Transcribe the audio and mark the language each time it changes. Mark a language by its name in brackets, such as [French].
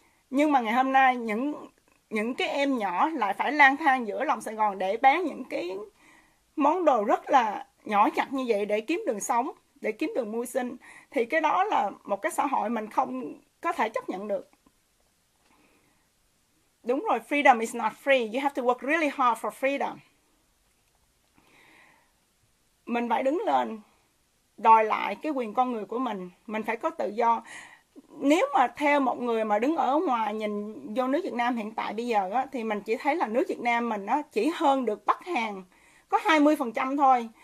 [Vietnamese] Nhưng mà ngày hôm nay những cái em nhỏ lại phải lang thang giữa lòng Sài Gòn để bán những cái món đồ rất là nhỏ nhặt như vậy để kiếm đường sống, để kiếm đường mưu sinh. Thì cái đó là một cái xã hội mình không có thể chấp nhận được. Đúng rồi, [English] freedom is not free. You have to work really hard for freedom. [Vietnamese] Mình phải đứng lên đòi lại cái quyền con người của mình phải có tự do. Nếu mà theo một người mà đứng ở ngoài nhìn vô nước Việt Nam hiện tại bây giờ á, thì mình chỉ thấy là nước Việt Nam mình á, chỉ hơn được Bắc Hàn có 20% thôi.